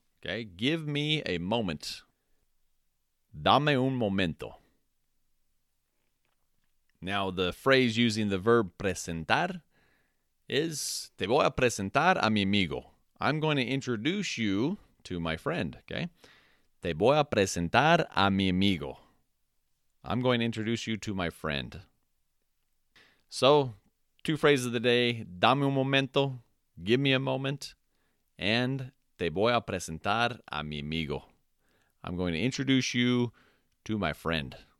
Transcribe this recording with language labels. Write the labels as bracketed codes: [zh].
[en] Okay, give me a moment. [es] Dame un momento. [en] Now, the phrase using the verb presentar is [es] te voy a presentar a mi amigo. [en] I'm going to introduce you to my friend. [es] Okay, te voy a presentar a mi amigo. [en] I'm going to introduce you to my friend. So, two phrases of the day, [es] dame un momento, [en] give me a moment, and [es] te voy a presentar a mi amigo. [en] I'm going to introduce you to my friend.